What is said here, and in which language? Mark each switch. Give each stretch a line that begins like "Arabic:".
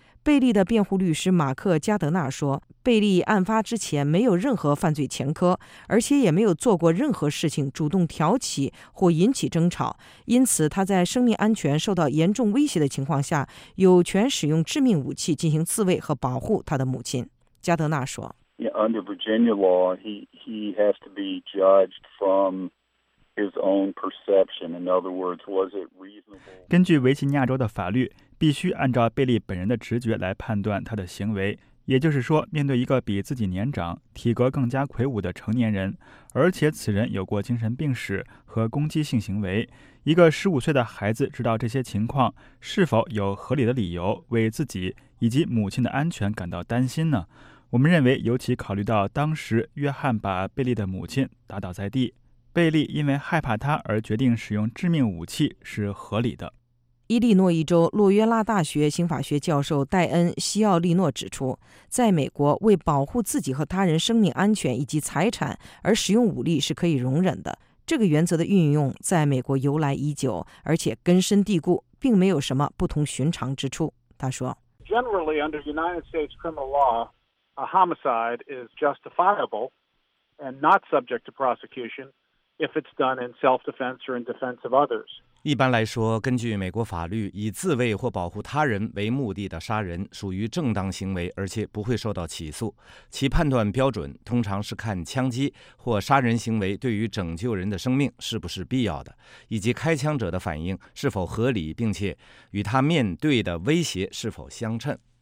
Chinese: 贝利的辩护律师马克·加德纳说，贝利案发之前没有任何犯罪前科，而且也没有做过任何事情主动挑起或引起争吵，因此他在生命安全受到严重威胁的情况下，有权使用致命武器进行自卫和保护他的母亲。加德纳说，
English: Under Virginia law, he has to be judged from his own perception. In other words, was it reasonable?
Chinese: 根据维吉尼亚州的法律，必须按照贝利本人的直觉来判断他的行为。也就是说，面对一个比自己年长、体格更加魁梧的成年人，而且此人有过精神病史和攻击性行为，一个15岁的孩子知道这些情况，是否有合理的理由为自己以及母亲的安全感到担心呢？我们认为，尤其考虑到当时约翰把贝利的母亲打倒在地，贝利因为害怕他而决定使用致命武器是合理的。伊利诺伊州洛约拉大学刑法学教授戴恩·西奥利诺指出，在美国，为保护自己和他人生命安全以及财产而使用武力是可以容忍的。这个原则的运用在美国由来已久，而且根深蒂固，并没有什么不同寻常之处。他说
English: ，Generally under United States criminal law。 A homicide is justifiable and not subject to prosecution if it's done in self-defense or in defense of others.
Chinese: 一般来说，根据美国法律，以自卫或保护他人为目的的杀人属于正当行为，而且不会受到起诉。其判断标准通常是看枪击或杀人行为对于拯救人的生命是不是必要的，以及开枪者的反应是否合理，并且与他面对的威胁是否相称。